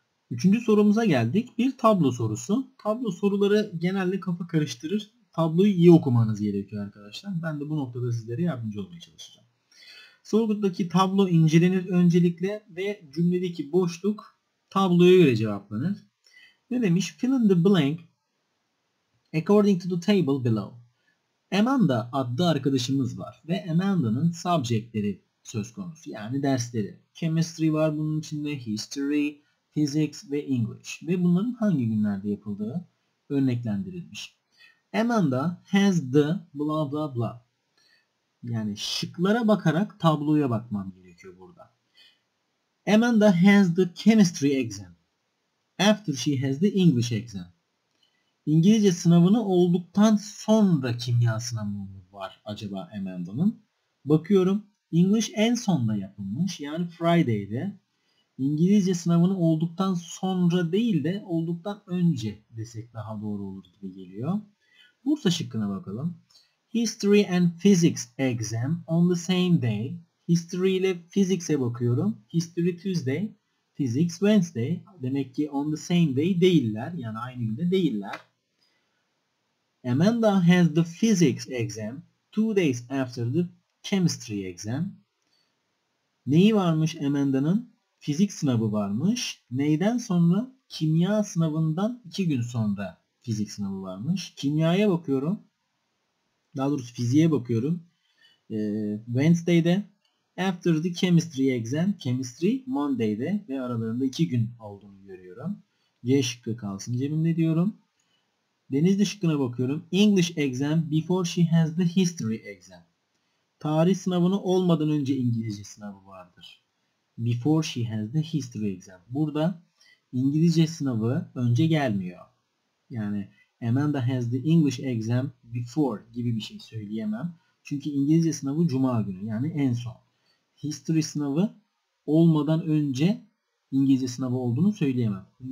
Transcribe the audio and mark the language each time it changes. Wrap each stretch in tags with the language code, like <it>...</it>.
<tr>Üçüncü sorumuza geldik. Bir tablo sorusu. Tablo soruları genelde kafa karıştırır. Tabloyu iyi okumanız gerekiyor arkadaşlar. Ben de bu noktada sizlere yardımcı olmaya çalışacağım. Sorudaki tablo incelenir öncelikle ve cümledeki boşluk tabloya göre cevaplanır. Ne demiş?</tr> <en>Fill in the blank according to the table below.</en> <tr>Amanda adlı arkadaşımız var ve Amanda'nın subjectleri söz konusu yani dersleri. Chemistry var bunun içinde, history, physics ve English. Ve bunların hangi günlerde yapıldığı örneklendirilmiş.</tr> <en>Amanda has the blah blah blah.</en> <tr>Yani şıklara bakarak tabloya bakmam gerekiyor burada.</tr> <en>Amanda has the chemistry exam after she has the English exam.</en> <tr>İngilizce sınavını olduktan sonra kimya sınavı mı var acaba Amanda'nın? Bakıyorum, English en sonda yapılmış, yani Friday'de. İngilizce sınavını olduktan sonra değil de olduktan önce desek daha doğru olur gibi geliyor. Bursa şıkkına bakalım.</tr> <en>History and Physics exam on the same day.</en> <tr>History ile Physics'e bakıyorum. History Tuesday, Physics Wednesday. Demek ki</tr> <en>on the same day</en> <tr>değiller. Yani aynı günde değiller.</tr> <en>Amanda has the Physics exam 2 days after the Chemistry exam.</en> <tr>Neyi varmış Amanda'nın? Fizik sınavı varmış. Neyden sonra? Kimya sınavından 2 gün sonra fizik sınavı varmış. Kimyaya bakıyorum. Daha doğrusu fiziğe bakıyorum. Wednesday'de.</tr> <en>After the chemistry exam. Chemistry Monday'de.</en> <tr>Ve aralarında 2 gün olduğunu görüyorum. C şıkkı kalsın cebimde diyorum. Denizli şıkkına bakıyorum.</tr> <en>English exam before she has the history exam.</en> <tr>Tarih sınavını olmadan önce İngilizce sınavı vardır.</tr> <en>Before she has the history exam.</en> <tr>Burada İngilizce sınavı önce gelmiyor. Yani</tr> <en>Amanda has the English exam before</en> <tr>gibi bir şey söyleyemem. Çünkü İngilizce sınavı cuma günü, yani en son. History sınavı olmadan önce İngilizce sınavı olduğunu söyleyemem.</tr>